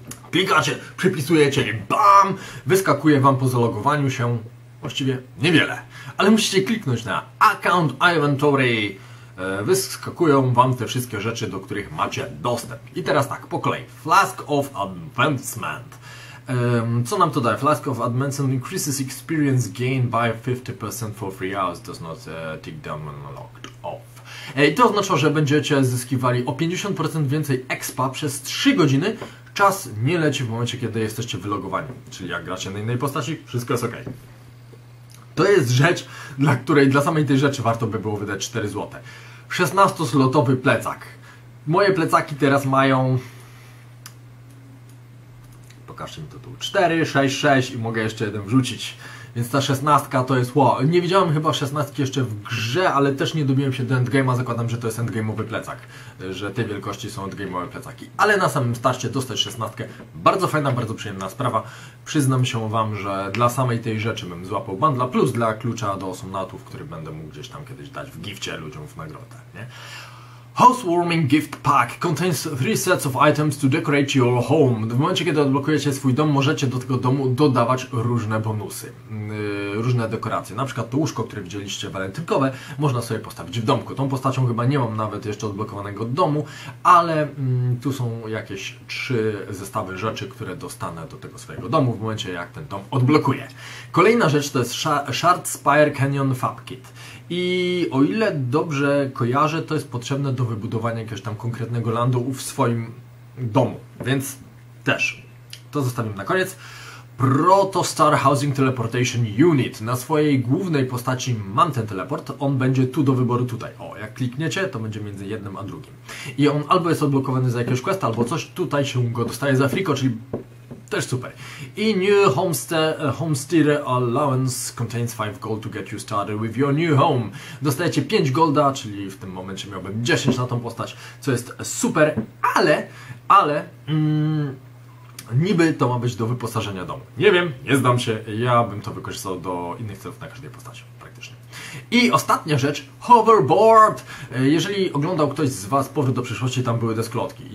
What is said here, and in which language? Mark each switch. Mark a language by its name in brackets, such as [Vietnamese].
[Polish] Klikacie, przypisujecie i BAM! Wyskakuje Wam po zalogowaniu się właściwie niewiele. Ale musicie kliknąć na Account Inventory. Wyskakują Wam te wszystkie rzeczy, do których macie dostęp. I teraz tak, po kolei. Flask of Advancement. Co nam to daje? [English] Flask of Advancement increases experience gain by 50% for 3 hours, does not tick down when locked off. [Polish] I to oznacza, że będziecie zyskiwali o 50% więcej expa przez 3 godziny. Czas nie leci w momencie, kiedy jesteście wylogowani. Czyli jak gracie na innej postaci, wszystko jest ok. To jest rzecz, dla której, dla samej tej rzeczy warto by było wydać 4 zł. 16-slotowy plecak. Moje plecaki teraz mają... Pokażcie mi to tu. 4, 6, 6 i mogę jeszcze jeden wrzucić. Więc ta 16 to jest... Wow. Nie widziałem chyba 16 jeszcze w grze, ale też nie dobiłem się do endgame'a. Zakładam, że to jest endgame'owy plecak. Że tej wielkości są endgame'owe plecaki. Ale na samym starcie dostać 16. Bardzo fajna, bardzo przyjemna sprawa. Przyznam się Wam, że dla samej tej rzeczy bym złapał bundla plus dla klucza do osomnatów, który będę mógł gdzieś tam kiedyś dać w gifcie ludziom w nagrodę. Nie? [English] Housewarming Gift Pack contains 3 sets of items to decorate your home. [Polish] W momencie, kiedy odblokujecie swój dom, możecie do tego domu dodawać różne bonusy, różne dekoracje. Na przykład to łóżko, które widzieliście walentynkowe, można sobie postawić w domku. Tą postacią chyba nie mam nawet jeszcze odblokowanego domu, ale tu są jakieś 3 zestawy rzeczy, które dostanę do tego swojego domu w momencie, jak ten dom odblokuję. Kolejna rzecz to jest Shard Spire Canyon Fab Kit. I o ile dobrze kojarzę, to jest potrzebne do wybudowania jakiegoś tam konkretnego landu w swoim domu, więc też to zostawimy na koniec. Protostar Housing Teleportation Unit. Na swojej głównej postaci mam ten teleport, on będzie tu do wyboru tutaj. O, jak klikniecie, to będzie między jednym a drugim. I on albo jest odblokowany za jakiegoś questa, albo coś, tutaj się go dostaje za friko, czyli też super. [English] I new homesteer allowance contains 5 gold to get you started with your new home. [Polish] Dostajecie 5 golda, czyli w tym momencie miałbym 10 na tą postać, co jest super, ale... niby to ma być do wyposażenia domu. Nie wiem, nie zdam się, ja bym to wykorzystał do innych celów na każdej postaci, praktycznie. I ostatnia rzecz, hoverboard! Jeżeli oglądał ktoś z Was Powrót do Przyszłości, tam były deskolotki.